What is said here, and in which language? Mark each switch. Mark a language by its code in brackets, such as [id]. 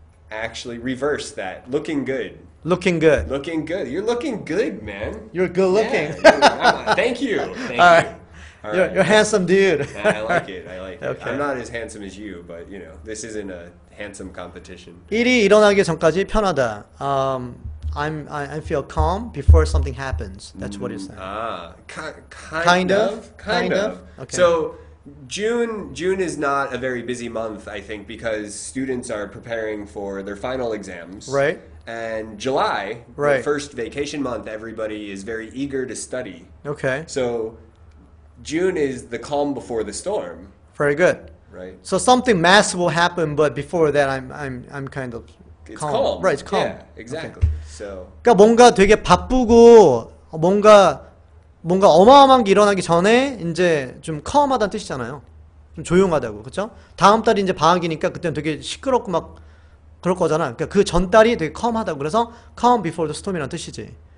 [en] Actually, reverse that. Looking good. Looking good. Looking good. You're looking good, man. You're good looking. Thank you. Thank you. You're a handsome dude. I like it. I'm not as handsome as you, but you know, this isn't a handsome competition. [ko] 일이 일어나기 전까지 편하다. [en] I feel calm before something happens. That's what it's saying. Kind of. Okay. So, June is not a very busy month, I think, because students are preparing for their final exams. Right. And July, the first vacation month, everybody is very eager to study. Okay. So June is the calm before the storm. Very good. Right. So something massive will happen, but before that, I'm kind of calm. It's calm. Right, it's calm. Yeah, exactly. Okay. So. [ko] 그러니까 뭔가 되게 바쁘고 뭔가 어마어마한 게 일어나기 전에 이제 좀 calm하다는 뜻이잖아요. 좀 조용하다고, 그렇죠? 다음 달이 이제 방학이니까 그때는 되게 시끄럽고 막 그럴 거잖아. 그러니까 그 전 달이 되게 calm하다고 그래서 [en] calm before the storm [ko] 이라는 뜻이지.